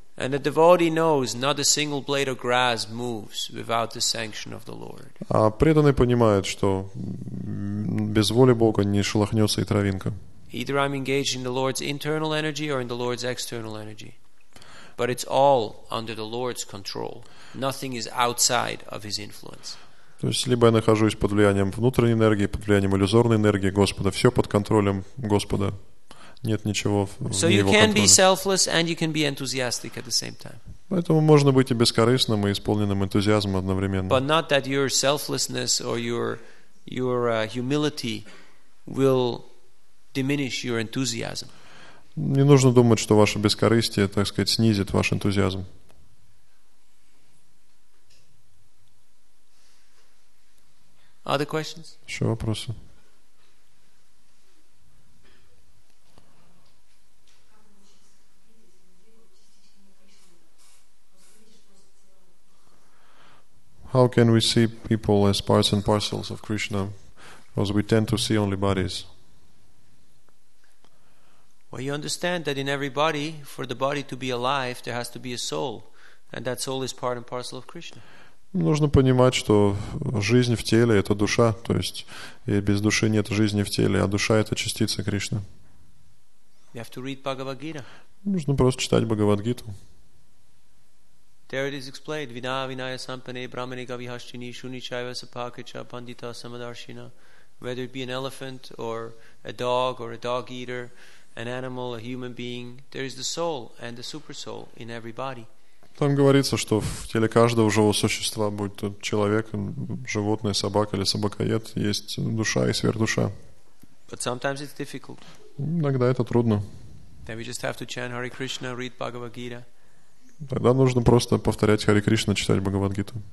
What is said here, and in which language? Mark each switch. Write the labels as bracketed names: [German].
[English] And the devotee knows not a single blade of grass moves without the sanction of the Lord. [Russian] А преданный понимает, что без воли Бога не шелохнется и травинка. [English] Either I'm engaged in the Lord's internal energy or in the Lord's external energy. But it's all under the Lord's control. Nothing is outside of His influence. [Russian] То есть либо я нахожусь под влиянием внутренней энергии, под влиянием иллюзорной энергии Господа. Все под контролем Господа. Нет ничего вне Его контроля. [English] So you can be selfless and you can be enthusiastic at the same time. [Russian] Поэтому можно быть и бескорыстным, и исполненным энтузиазмом одновременно. [English] But not that your selflessness or your humility will diminish your enthusiasm. [Russian] Не нужно думать, что ваше бескорыстие, так сказать, снизит ваш энтузиазм. [English] Other questions? [Russian] Еще вопросы? [English] How can we see people as parts and parcels of Krishna? Because we tend to see only bodies. Well, you understand that in every body, for the body to be alive, there has to be a soul, and that soul is part and parcel of Krishna. [Russian] Нужно понимать, что жизнь в теле — это душа, то есть и без души нет жизни в теле, а душа — это частица Кришны. [English] You have to read Bhagavad Gita. [Russian] Нужно просто читать Бхагавад-гиту. [Sanskrit] There it is explained: Vina vinaya sampane brahmane gavihashchini shunichaiva sapakicha pandita samadarshina. [English] Whether it be an elephant or a dog or a dog eater, an animal, a human being, there is the soul and the super soul in every body. [Russian] Там говорится, что в теле каждого живого существа, будь то человек, животное, собака или собакоед, есть душа и сверхдуша. [English] But sometimes it's difficult. [Russian] Иногда это трудно. [English] Then we just have to chant Hare Krishna, read Bhagavad Gita. [Russian] Тогда нужно просто повторять Хари Кришна, читать Бхагавад-гиту.